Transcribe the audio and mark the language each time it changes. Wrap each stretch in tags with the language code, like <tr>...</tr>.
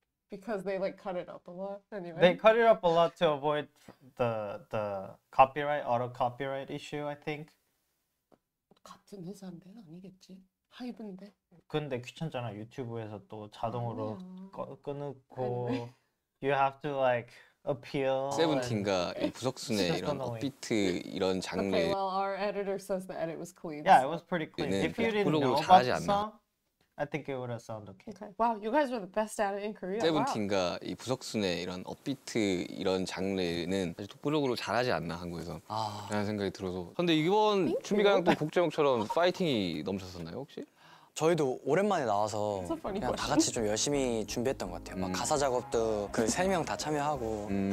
<en>Because they like cut it up a lot anyway. They cut it up a lot to avoid the copyright, auto copyright issue, I think.</en> <ko>같은 회사인데 아니겠지? 하이브인데? 근데 귀찮잖아. 유튜브에서 또 자동으로 끊고</ko> <en>you have to like appeal.</en> <ko>세븐틴과 부석순의 이런 업비트 이런 장르.</ko> <en>Okay, well, our editor says the edit was clean. Yeah, it was pretty clean. If you didn't know about the song, I think it would have sounded okay. Okay. Wow, you guys were the best at it in Korea.</en> <ko>세븐틴과 이 부석순의 이런 업비트 이런 장르는 아직 독보적으로 잘하지 않나 한국에서 라는 생각이 들어서. 근데 이번 준비가요 곡 제목처럼 파이팅이 넘쳤었나요 혹시? 저희도 오랜만에 나와서 그냥 다 같이 좀 열심히 준비했던 것 같아요. 막 가사 작업도 그 세 명 다 참여하고.</ko>